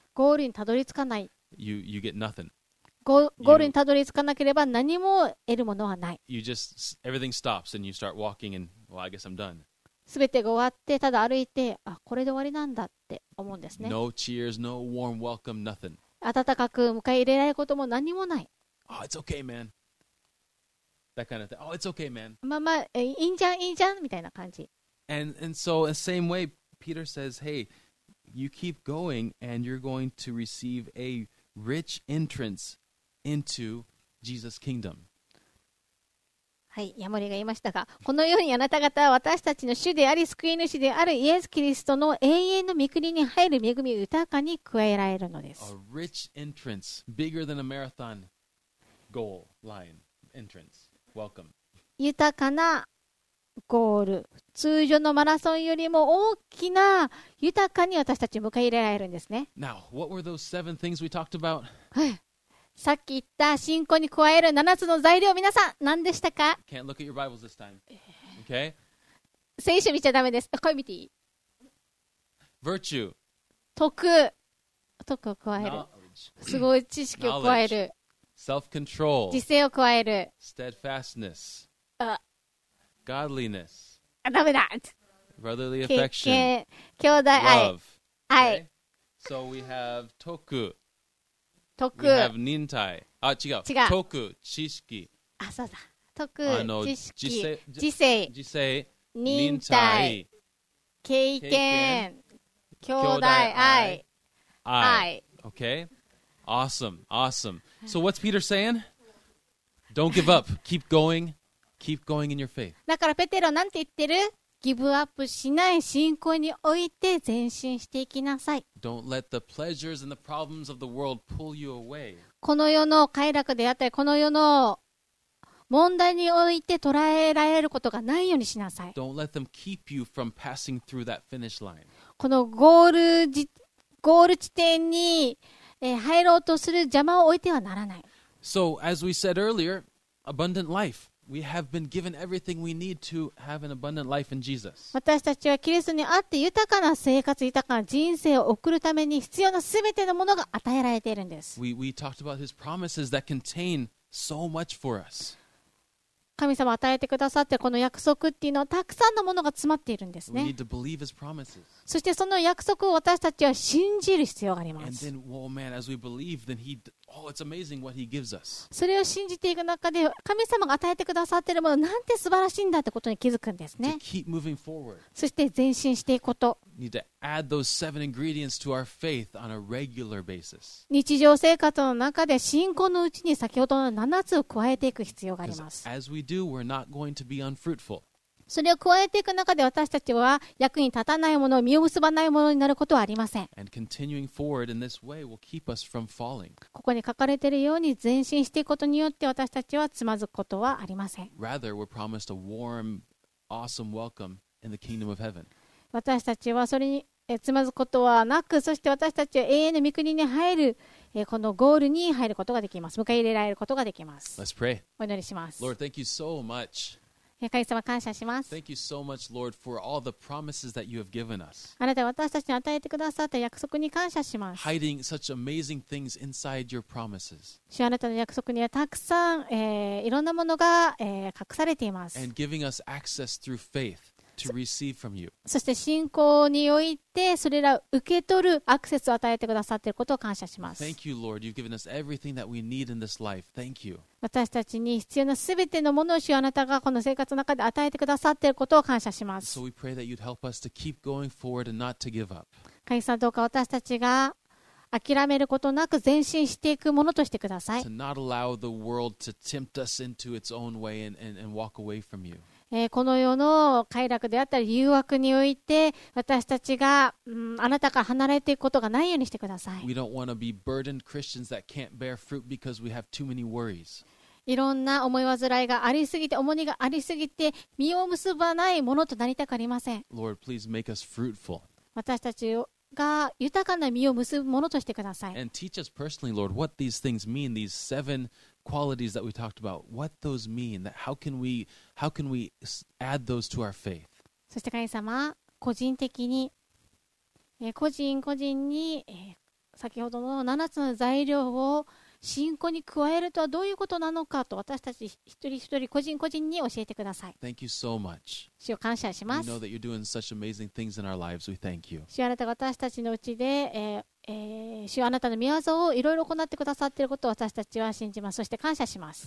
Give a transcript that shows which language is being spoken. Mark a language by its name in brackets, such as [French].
[Japanese] ゴールにたどり着かない。 [English] You get nothing. [Japanese] ゴールにたどり着かなければ何も得るものはない。 [English] You just, everything stops and you start walking and, well, I guess I'm done. [Japanese] 全てが終わって、ただ歩いて、あ、これで終わりなんだって思うんですね。 [English] No cheers, no warm welcome, nothing. [Japanese] 温かく迎え入れられることも何もない。 [English] Oh, it's okay, man. that kind of thing. Oh, it's okay, man. [Japanese] まあまあ、いいじゃん、いいじゃんみたいな感じ。 [English] And so the same way, Peter says, hey, you keep going and you're going to receive a rich entrance into Jesus' kingdom. [Japanese] はい、ヤモリが言いましたが、このようにあなた方は私たちの主であり救い主であるイエス・キリストの永遠の御国に入る恵み豊かに加えられるのです。 [English] A rich entrance, bigger than a marathon goal line entrance. Welcome. [Japanese] 豊かなゴール、通常のマラソンよりも大きな豊かに私たち迎え入れられるんですね。 [English] Now, what were those seven things we talked about? [Japanese] はい。さっき言った信仰に加える7つの材料、皆さん何でしたか？ [English] Can't look at your Bibles this time. Okay. [Japanese] 聖書見ちゃダメです。これ見ていい？ [English] Virtue. [Japanese] 徳を加える。すごい知識を加える。 [English] Self-control. [Japanese] 自制を加える。 [English] Steadfastness. Godliness. [Japanese] ダメだ。 [English] Brotherly affection. [Japanese] 兄弟愛。 [English] Love. Okay. So we have 徳。 [Japanese] 徳。 [English] We have [Japanese] 忍耐。あ、違う。違う。徳、知識。あ、そうだ。徳、知識。知性。知性。忍耐。経験。兄弟愛。 [English] 愛。Okay. Awesome. Awesome. So what's Peter saying? Don't give up. Keep going. Keep going in your faith. [Japanese] だからペテロなんて言ってる？ギブアップしない信仰において前進していきなさい。 [English] Don't let the pleasures and the problems of the world pull you away. [Japanese] この世の快楽であったり、この世の問題において捉えられることがないようにしなさい。 [English] Don't let them keep you from passing through that finish line. [Japanese] このゴール地点に入ろうとする邪魔を置いてはならない。 [English] So, as we said earlier, abundant life. We have been given everything we need to have an abundant life in Jesus. [Japanese] 私たちはキリストにあって豊かな生活、豊かな人生を送るために必要なすべてのものが与えられているんです。 [English] We talked about His promises that contain so much for us. [Japanese] 神様与えてくださってこの約束っていうのはたくさんのものが詰まっているんですね。 [English] We need to believe His promises. [Japanese] そしてその約束を私たちは信じる必要があります。 [English] And then, oh man, as we believe, then He... Oh, it's amazing what he gives us. [Japanese] それを信じていく中で神様が与えてくださっているものなんて素晴らしいんだってことに気づくんですね。 [English] To keep moving forward. [Japanese] そして前進していくこと。 [English] Need to add those seven ingredients to our faith on a regular basis. [Japanese] 日常生活の中で信仰のうちに先ほどの7つを加えていく必要があります。 [English] As we do, we're not going to be unfruitful. [Japanese] それを加えていく中で私たちは役に立たないもの、実を結ばないものになることはありません。 [English] And continuing forward in this way will keep us from falling. [Japanese] ここに書かれているように前進していくことによって私たちはつまずくことはありません。 [English] Rather, we're promised a warm, awesome welcome in the kingdom of heaven. [Japanese] 私たちはそれにつまずくことはなく、そして私たちは永遠の御国に入る、このゴールに入ることができます。迎え入れられることができます。 [English] Let's pray. [Japanese] お祈りします。 [English] Lord, thank you so much. [Japanese] 神様感謝します。 [English] Thank you so much, Lord, for all the promises that you have given us. [Japanese] あなたは私たちに与えてくださった約束に感謝します。 [English] Hiding such amazing things inside your promises. [Japanese] 主、あなたの約束にはたくさん、いろんなものが、隠されています。 [English] And giving us access through faith to receive from you. [Japanese] そして信仰においてそれらを受け取るアクセスを与えてくださっていることを感謝します。 [English] Thank you, Lord. You've given us everything that we need in this life. Thank you. [Japanese] 私たちに必要なすべてのものを主あなたがこの生活の中で与えてくださっていることを感謝します。 [English] So we pray that you'd help us to keep going forward and not to give up. [Japanese] 神様どうか私たちが諦めることなく前進していくものとしてください。 [English] To not allow the world to tempt us into its own way and walk away from you. [Japanese] この世の快楽であったり誘惑において私たちが、あなたから離れていくことがないようにしてください。 [English] We don't want to be burdened Christians that can't bear fruit because we have too many worries. [Japanese] いろんな思い煩いがありすぎて、重荷がありすぎて、実を結ばないものとなりたくありません。 [English] Lord, please make us fruitful. [Japanese] 私たちが豊かな実を結ぶものとしてください。 [English] And teach us personally, Lord, what these things mean, these sevenqualities that we talked about, what those mean, that how can we add those to our faith. [Japanese] そして神様、個人的に、個人に、先ほどの7つの材料を信仰に加えるとはどういうことなのかと私たち一人一人個人個人に教えてください。 [English] Thank you so much. [Japanese] 主を感謝します。 [English] We know that you're doing such amazing things in our lives. We thank you. [Japanese] 主、あなたが私たちのうちで、主、あなたの御業をいろいろ行ってくださっていることを私たちは信じます。そして感謝します。